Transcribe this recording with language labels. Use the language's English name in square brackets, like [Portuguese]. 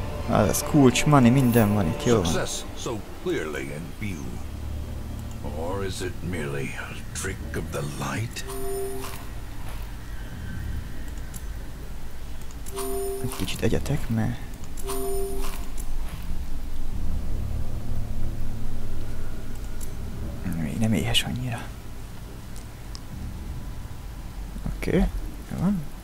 [Hungarian] Ez az kulcs, money, minden van itt, jó van. [English] So clearly in view. Or is it merely a trick of the light? [Hungarian] Egy kicsit egyetek, mert... Még nem éhes annyira. Oké, jó van.